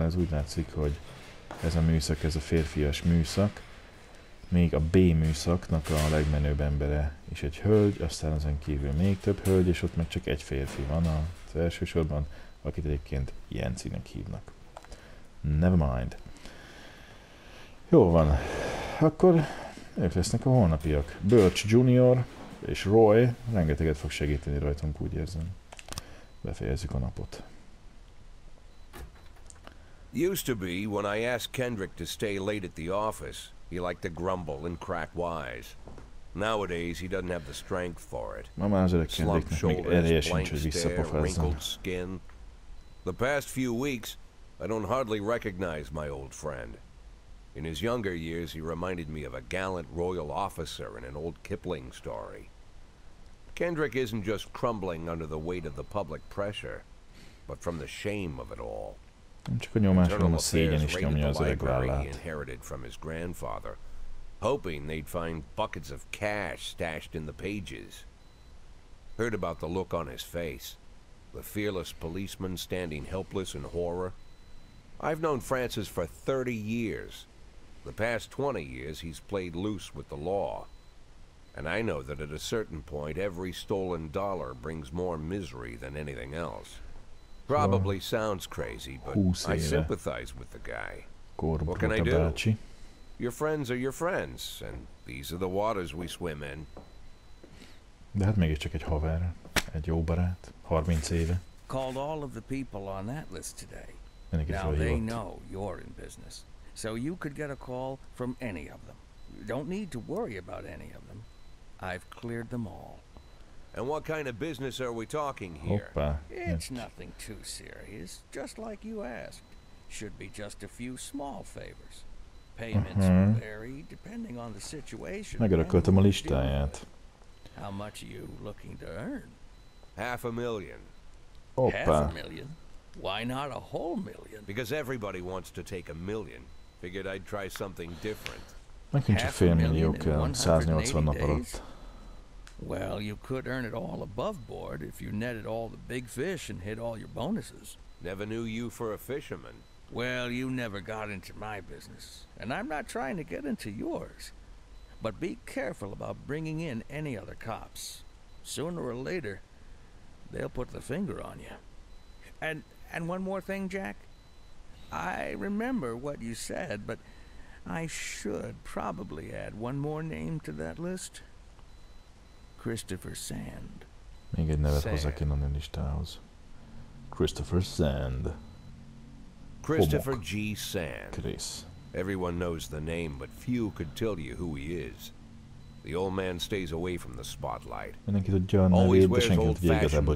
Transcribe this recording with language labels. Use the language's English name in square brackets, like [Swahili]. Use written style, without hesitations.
[Hungarian] Ez úgy látszik, hogy ez a műszak, ez a férfias műszak, még a B műszaknak a legmenőbb embere is egy hölgy, aztán ezen kívül még több hölgy, és ott meg csak egy férfi van az első sorban, akit egyébként Jensinek hívnak. [English] Never mind. [Hungarian] Jó van, akkor ők lesznek a holnapiak. Birch Junior és Roy rengeteget fog segíteni rajtunk, úgy érzem. Befejezzük a napot. [English] Used to be when I asked Kendrick to stay late at the office, he liked to grumble and crack wise. Nowadays he doesn't have the strength for it. [Hungarian] Ma már az öreg Kendricknek még erélye sincs, hogy visszapofázzon. [English] The past few weeks I don't hardly recognize my old friend. In his younger years, he reminded me of a gallant royal officer in an old Kipling story. Kendrick isn't just crumbling under the weight of the public pressure, but from the shame of it all. [Hungarian] Csak a nyomás, hanem a szégyen is nyomja az öreg vállát. [English] Inherited from his grandfather, hoping they'd find buckets of cash stashed in the pages. Heard about the look on his face, the fearless policeman standing helpless in horror. I've known Francis for 30 years. The past 20 years he's played loose with the law. And I know that at a certain point every stolen dollar brings more misery than anything else. Probably sounds crazy, but I sympathize with the guy. What can I do? Your friends are your friends, and these are the waters we swim in. [Hungarian] De hát mégis csak egy haver, egy jó barát, 30 éve. [English] Called all of the people on that list today. Now they know you're in business. So you could get a call from any of them. You don't need to worry about any of them. I've cleared them all. And what kind of business are we talking here? [Hungarian] Hoppa. [English] It's nothing too serious. Just like you asked. Should be just a few small favors. Payments vary depending on the situation. [Hungarian] Megörököltem a listáját. [English] How much are you looking to earn? Half a million. [Hungarian] Hoppa. [English] Half a million? Why not a whole million? Because everybody wants to take a million. Figured I'd try something different. [Hungarian] Nekünk csak fél millió kell 180 nap alatt. [English] Well, you could earn it all above board if you netted all the big fish and hit all your bonuses. Never knew you for a fisherman. Well, you never got into my business, and I'm not trying to get into yours. But be careful about bringing in any other cops. Sooner or later, they'll put the finger on you. And one more thing, Jack. I remember what you said, but I should probably add one more name to that list. Christopher Sand. [Hungarian] Még egy nevet hozzá kéne a listához. [English] Christopher Sand. Christopher G. Sand. Chris. Everyone knows the name, but few could tell you who he is. The old man stays away from the spotlight. [Hungarian] Mindenki tudja a nevét, de senki nem tudja igazából